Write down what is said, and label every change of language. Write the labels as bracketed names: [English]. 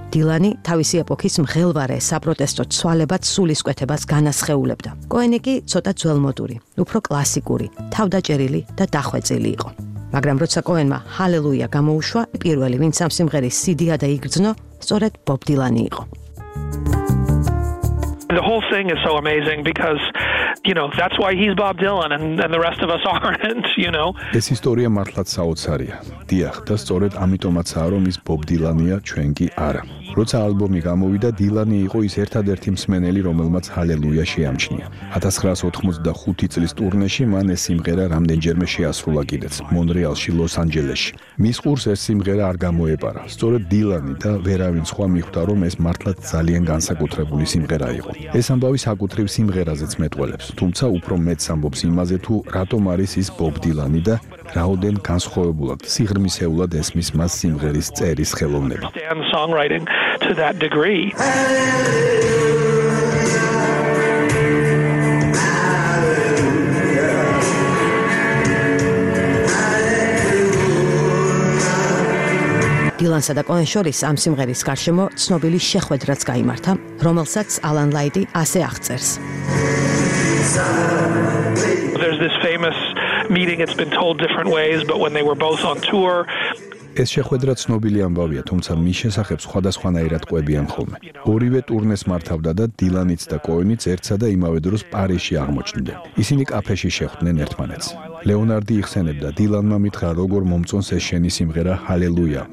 [Georgian] დილანი თავისი ეპოქის მღელვარე საპროტესტო ცვალებად სულისკვეთებას განასხეულებდა. კოენი კი ცოტა ძველმოდური, უფრო კლასიკური, თავდაჭერილი და დახვეწილი იყო. მაგრამ როცა კოენმა Hallelujah გამოუშვა, პირველი ვინც ამ სიმღერის სიდია და იგრძნო, სწორედ ბობ დილანი იყო. [English] The whole thing is so amazing because, you know, that's why he's Bob Dylan and the rest of us aren't, you know. [Georgian] ეს ისტორია მართლაც საოცარია. დიახ, და სწორედ ამიტომაცაა რომ ის ბობ დილანია, ჩვენ კი არა. როცა ალბომი გამოვიდა, დილანი იყო ის ერთადერთი მსმენელი, რომელმაც Hallelujah შეამჩნია. 1985 წლის ტურნეში მან ეს სიმღერა რამდენჯერმე შეასრულა კიდეც, მონრეალში, ლოს-ანჯელესში. მის ყურს ეს სიმღერა არ გამოეპარა. სწორედ დილანი და ვერავინ სხვა მიხვდა, რომ ეს მართლაც ძალიან განსაკუთრებული სიმღერა იყო. ეს ამბავი საკუთრივ სიმღერაზეც მეტყველებს, თუმცა უფრო მეტს ამბობს იმაზე, თუ რატომ არის ის ბობ დილანი და რაოდენ განსხვავებულად, სიღრმისეულად ესმის მას სიმღერის წერის ხელოვნება. [English] To that degree. [Georgian] დილანსა და კოენ შორის ამ სიმღერის გარშემო ცნობილი შეხვედრაც გამართა, რომელსაც ალან ლაიტი ასე აღწერს. [English] There's this famous meeting, it's been told different ways, but when they were both on tour, [Georgian] ეს შეხვედრა ცნობილი ამბავია, თუმცა მის შესახებ სხვადასხვანაირად ყვებიან ხოლმე. ორივე ტურნეს მართავდა და დილანიც და კოენიც ერთსა და იმავე დროს პარიზში აღმოჩნდნენ. ისინი კაფეში შეხვდნენ ერთმანეთს. ლეონარდი იხსენებდა, დილანმა მითხრა, როგორ მომწონს ეს შენი სიმღერა Hallelujah.